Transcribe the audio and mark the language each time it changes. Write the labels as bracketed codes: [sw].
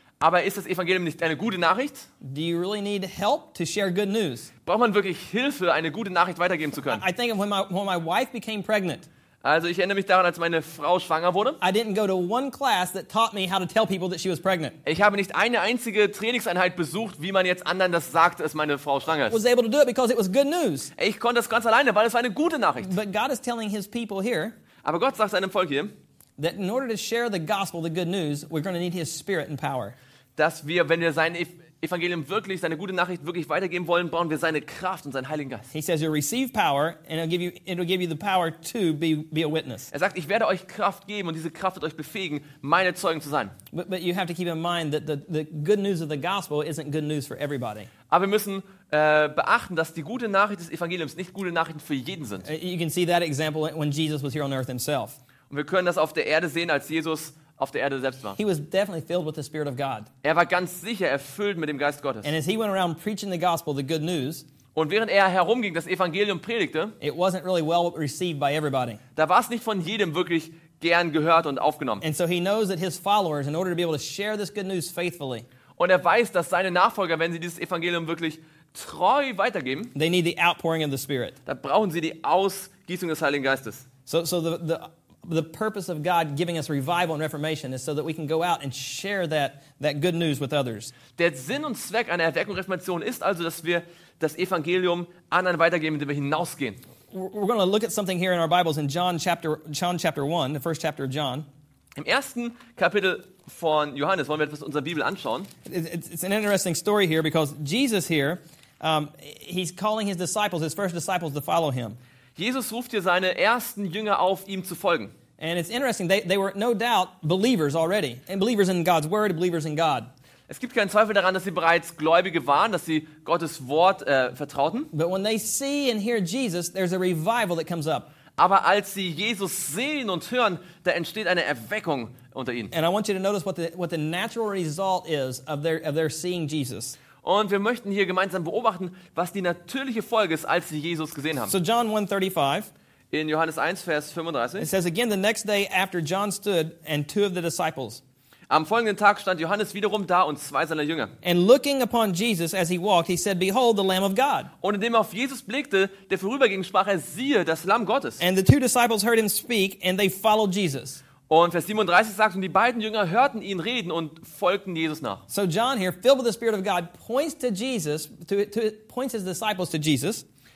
[de] Aber ist das Evangelium nicht eine gute Nachricht? [en] Do you really need help to share good news? [de] Braucht man wirklich Hilfe, eine gute Nachricht weitergeben zu können? [en] I think of when my wife became pregnant. [de] Also ich erinnere mich daran, als meine Frau schwanger wurde. [en] I didn't go to one class that taught me how to tell people that she was pregnant. [de] Ich habe nicht eine einzige Trainingseinheit besucht, wie man jetzt anderen das sagt, dass meine Frau schwanger ist. [en] I was able to do it because it was good news. [de] Ich konnte das ganz alleine, weil es war eine gute Nachricht. [en] But God is telling his people here. [de] Aber Gott sagt seinem Volk hier, [en] that in order to share the gospel, the good news, we're going to need his spirit and power. [de] Dass wir, wenn wir sein Evangelium wirklich, seine gute Nachricht wirklich weitergeben wollen, brauchen wir seine Kraft und seinen Heiligen Geist. [en] He says, you'll receive power and it'll give you the power to be a witness. [de] Er sagt, ich werde euch Kraft geben und diese Kraft wird euch befähigen, meine Zeugen zu sein. [en] But you have to keep in mind that the good news of the gospel isn't good news for everybody. [de] Aber wir müssen beachten, dass die gute Nachricht des Evangeliums nicht gute Nachrichten für jeden sind. [en] You can see that example when Jesus was here on earth himself. [de] Und wir können das auf der Erde sehen, als Jesus auf der Erde selbst war. [en] He was definitely filled with the Spirit of God. [de] Er war ganz sicher erfüllt mit dem Geist Gottes. [en] And as he went around preaching the gospel, the good news, [de] und während er herumging, das Evangelium predigte, [en] it wasn't really well received by everybody. [de] Da war es nicht von jedem wirklich gern gehört und aufgenommen. [en] And so he knows that his followers, in order to be able to share this good news faithfully, [de] und er weiß, dass seine Nachfolger, wenn sie dieses Evangelium wirklich treu weitergeben, [en] they need the outpouring of the Spirit. [de] Da brauchen sie die Ausgießung des Heiligen Geistes. [en] So the purpose of God giving us revival and reformation is so that we can go out and share that good news with others. [de] Der Sinn und Zweck einer Erweckung und Reformation ist also, dass wir das Evangelium anderen weitergeben, indem wir hinausgehen. [en] We're going to look at something here in our Bibles in John chapter 1, the first chapter of John. [de] Im ersten Kapitel von Johannes wollen wir etwas in unserer Bibel anschauen. [en] It's an interesting story here because Jesus here, he's calling his disciples, his first disciples to follow him. [de] Jesus ruft hier seine ersten Jünger auf, ihm zu folgen. [en] And it's interesting, they were no doubt believers already. And believers in God's word, believers in God. [de] Es gibt keinen Zweifel daran, dass sie bereits Gläubige waren, dass sie Gottes Wort vertrauten. [en] But when they see and hear Jesus, there's a revival that comes up. [de] Aber als sie Jesus sehen und hören, da entsteht eine Erweckung unter ihnen. [en] And I want you to notice what the natural result is of their seeing Jesus. [de] Und wir möchten hier gemeinsam beobachten, was die natürliche Folge ist, als sie Jesus gesehen haben. [en] So John 1:35. [de] In Johannes 1, Vers 35. [en] It says again, the next day after John stood and two of the disciples. [de] Am folgenden Tag stand Johannes wiederum da und zwei seiner Jünger. [en] And looking upon Jesus as he walked, he said, behold, the Lamb of God. [de] Und indem er auf Jesus blickte, der vorüberging, sprach er, siehe, das Lamm Gottes. [en] And the two disciples heard him speak and they followed Jesus. [de] Und Vers 37 sagt, und die beiden Jünger hörten ihn reden und folgten Jesus nach. [en] So John here, filled with the Spirit of God, points his disciples to Jesus.